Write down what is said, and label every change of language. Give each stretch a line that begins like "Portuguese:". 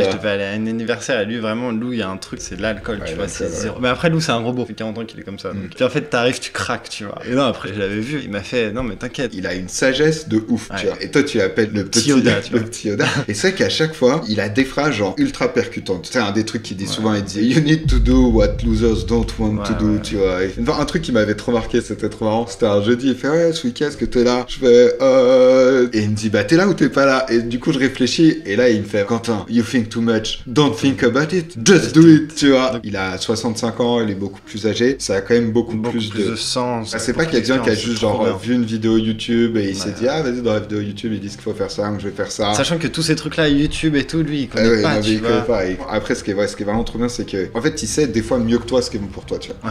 French: Ouais, je devais aller à un anniversaire. Lui, vraiment, Lou, il y a un truc, c'est de l'alcool, ouais, tu vois. C'est zéro. Mais après, Lou, c'est un robot. Ça fait 40 ans qu'il est comme ça. Donc. Puis en fait, t'arrives, tu craques, tu vois. Et non, après, je l'avais vu. Il m'a fait, non, mais t'inquiète. Il a une sagesse de ouf, ouais, tu vois. Et toi, tu l'appelles le petit Yoda. Le petit Yoda. Et c'est vrai qu'à chaque fois, il a des phrases, genre, ultra percutantes. C'est un des trucs qu'il dit souvent. Il dit,
English: you need to do what losers don't want to do,
French: tu vois. Enfin, un truc qui m'avait trop marqué, c'était trop marrant. C'était un jeudi. Il fait, ouais, ce week-end, est-ce que t'es là? Je fais, Et il me dit, bah, t'es là ou t'es pas là? Et du coup, je réfléchis. Et là, il me fait, Quentin,
English: you think too much. Don't think about it. Just do it,
French: tu vois. Il a 65 ans. Il est beaucoup plus âgé. Ça a quand même beaucoup plus de sens. Bah, c'est pas quelqu'un qui a juste, genre, vu une vidéo YouTube et il s'est dit, ah, vas-y, dans la vidéo YouTube, ils disent qu'il faut faire ça, donc je vais faire ça. Sachant que tous ces trucs-là, YouTube et tout, lui, il connaît pas. Après, ce qui est vraiment trop bien, c'est que, en fait, il sait des fois mieux que toi ce qui est bon pour toi, tu vois.